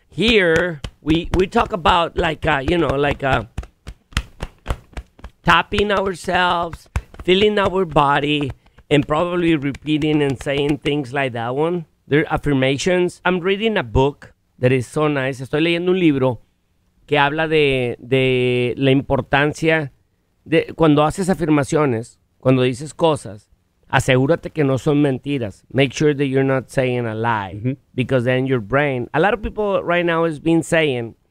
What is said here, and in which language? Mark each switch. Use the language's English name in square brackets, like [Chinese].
[English] Here, we talk about tapping ourselves, feeling our body, and probably repeating and saying things like that one. They're affirmations. I'm reading a book that is so nice. [Spanish] Estoy leyendo un libro que habla de la importancia de cuando haces afirmaciones, cuando dices cosas, asegúrate que no son mentiras. [English] Make sure that you're not saying a lie. Mm-hmm. Because then your brain... A lot of people right now has been saying...